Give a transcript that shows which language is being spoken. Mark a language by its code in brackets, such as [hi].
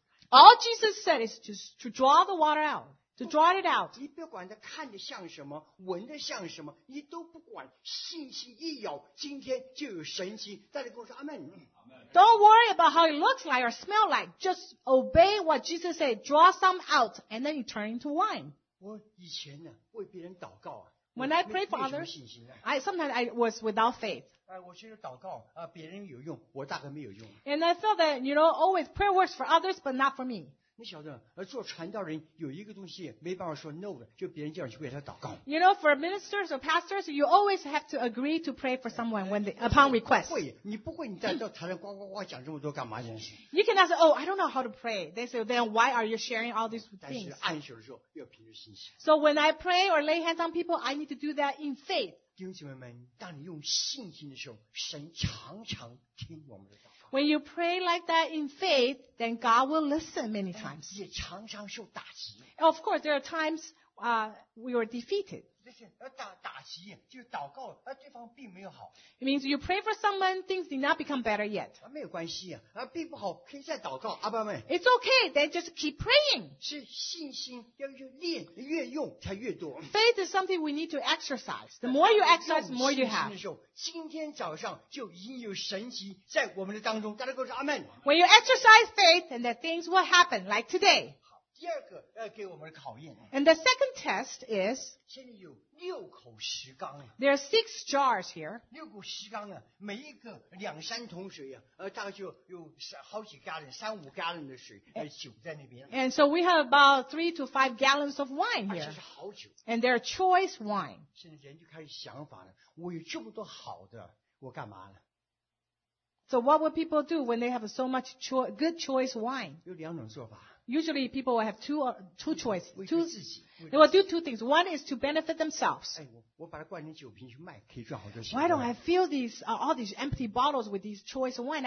[en] All Jesus said is to draw the water out. To draw it out. [zh] 你不管它看得像什么, 闻得像什么, 你都不管, 信心一咬, 今天就有神奇, 再来跟我说, Amen. [en] Don't worry about how it looks like or smells like. Just obey what Jesus said. Draw some out and then you turn into wine. [zh] 我以前呢, 为别人祷告, [en] when I pray for others, [zh] 没什么信心啊? [en] Sometimes I was without faith. [zh] 我觉得祷告, 别人有用, 我大概没有用。 [en] And I felt that, you know, always prayer works for others but not for me. [zh] 你晓得, 做传道人有一个东西没办法说 no 的, 就别人叫你去为他祷告。 [en] You know, for ministers or pastors, you always have to agree to pray for someone when they, upon request. [zh] 不会, 你不会, 你在台上呱呱呱讲这么多干嘛, [en] you cannot say, oh, I don't know how to pray. They say, then why are you sharing all these things? [zh] 但是按手的时候, 要凭着信心。 [en] So when I pray or lay hands on people, I need to do that in faith. [zh] 弟兄姐妹们, 当你用信心的时候, 神常常听我们的祷告。 [en] When you pray like that in faith, then God will listen many times. [zh] 也常常受打击。 [en] Of course, there are times we were defeated. [zh] 打击, 就是祷告, 对方并没有好。 [en] It means you pray for someone, things did not become better yet. [zh] 没有关系, 并不好, 可以再祷告, 阿爸们, [en] it's okay, then just keep praying. [zh] 是信心要越练, 越用才越多。 [en] Faith is something we need to exercise. The more you exercise, the more you have. [zh] 今天早上就已经有神迹在我们的当中, 大家跟我说, Amen. [en] When you exercise faith, then that things will happen, like today. [zh] 第二个给我们的考验, [en] and the second test is [zh] 现在有六口石缸, [en] there are six jars here. [zh] 六口石缸啊, 每一个两三桶水啊, 大概就有好几 gallon, 三五 gallon 的水, and, 酒在那边, [en] and so we have about 3 to 5 gallons of wine here. [zh] 而且是好酒, [en] and they're choice wine. [zh] 现在人就开始想法了, 我有这么多好的, 我干嘛呢? [en] So what will people do when they have so much good choice wine? [zh] 有两种做法。 [en] Usually people will have two choices. They will do two things. One is to benefit themselves. 哎, why don't I fill these all these empty bottles with these choice wine?